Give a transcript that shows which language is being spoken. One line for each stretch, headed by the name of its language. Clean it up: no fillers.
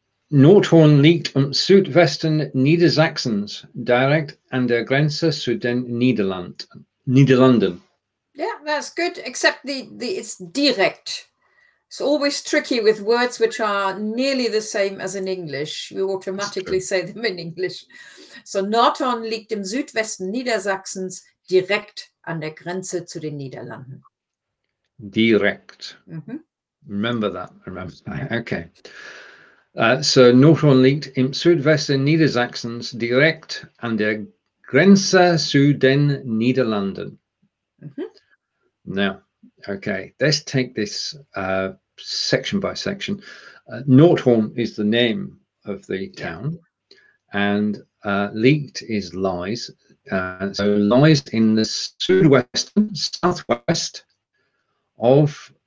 German: Nordhorn liegt am Südwesten Niedersachsens, direkt an der Grenze zu den Niederlanden.
English: Yeah, that's good, except the it's direct. It's always tricky with words which are nearly the same as in English. We automatically say them in English.
German: So Nordhorn liegt im Südwesten Niedersachsens, direkt an der Grenze zu den Niederlanden.
English: Direkt. Mm-hmm. Remember that. Okay.
German: So Nordhorn liegt im Südwesten Niedersachsens direkt an der Grenze zu den Niederlanden. Mm-hmm.
English: Now, okay, let's take this section by section. Nordhorn is the name of the town, and liegt is lies. So lies in the southwest of...